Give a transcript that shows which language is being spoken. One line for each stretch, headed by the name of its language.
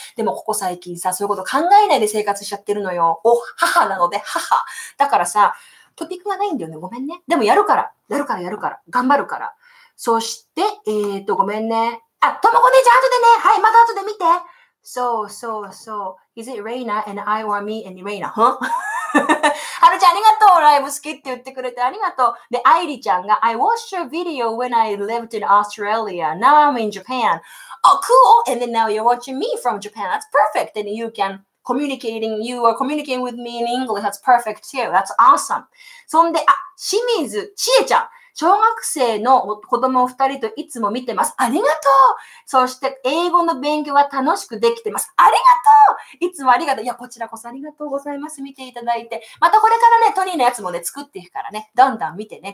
Japanese: でも、ここ最近さ、そういうこと考えないで生活しちゃってるのよ。お、母なので、母。だからさ、トピックがないんだよね。ごめんね。でも、やるから。頑張るから。そして、ごめんね。あ、ともこ姉ちゃん、後でね。はい、また後で見て。So.
English: Is it Reina and I or me and Reina? Huh?
Japanese: はるちゃんありがとう。ライブ好きって言ってくれてありがとう。で、アイリちゃんが、
English: I watched your video when I lived in Australia. Now I'm in Japan. Oh, cool! And then now you're watching me from Japan. That's perfect. And you can communicating, you are communicating with me in English. That's perfect too. That's awesome.
Japanese: そんで、あ、清水千恵ちゃん。小学生の子供二人といつも見てます。ありがとう。そして英語の勉強は楽しくできてます。ありがとう。いつもありがとう。いや、こちらこそありがとうございます。見ていただいて。またこれからね、トニーのやつもね、作っていくからね。どんどん見てね。